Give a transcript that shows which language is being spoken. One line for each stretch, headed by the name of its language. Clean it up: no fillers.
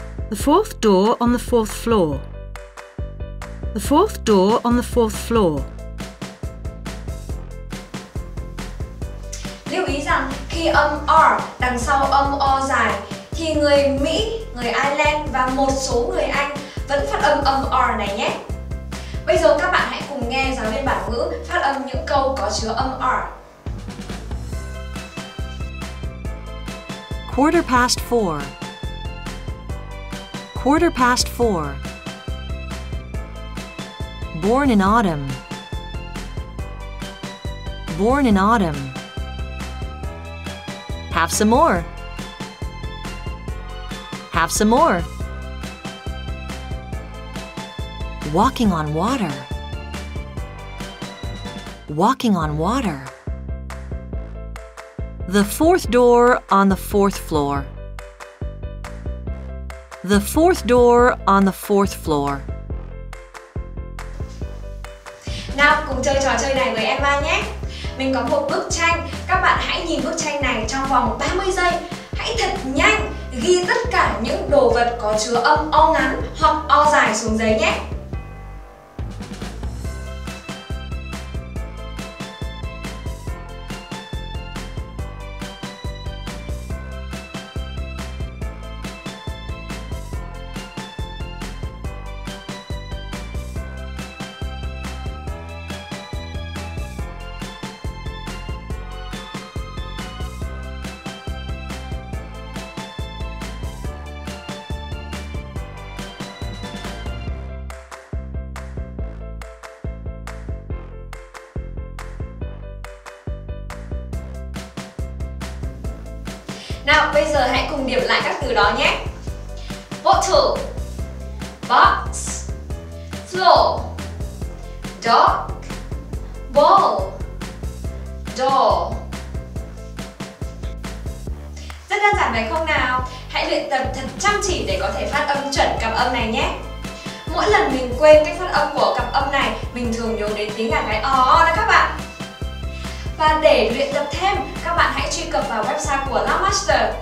English: The fourth door on the fourth floor. The fourth door on the fourth floor.
Vietnamese: Lưu ý rằng khi âm R đằng sau âm O dài thì người Mỹ, người Ireland và một số người Anh vẫn phát âm âm R này nhé. Bây giờ các bạn hãy cùng nghe giáo viên bản ngữ phát âm những câu có chứa âm R.
English: Quarter past four. Quarter past four. Born in autumn. Born in autumn. Have some more. Have some more. Walking on water. Walking on water. The fourth door on the fourth floor. The fourth door on the fourth floor.
Vietnamese: Nào cùng chơi trò chơi này với Emma nhé. Mình có một bức tranh, các bạn hãy nhìn bức tranh này trong vòng 30 giây. Hãy thật nhanh ghi tất cả những đồ vật có chứa âm O ngắn hoặc O dài xuống giấy nhé. Nào, bây giờ hãy cùng điểm lại các từ đó nhé.
English: Bottle, box, floor, dog, ball, door.
Vietnamese: Rất đơn giản phải không nào? Hãy luyện tập thật chăm chỉ để có thể phát âm chuẩn cặp âm này nhé. Mỗi lần mình quên cách phát âm của cặp âm này, mình thường nhớ đến tiếng Anh cái o đó các bạn. Và để luyện tập thêm, các bạn hãy truy cập vào website của Loud Master.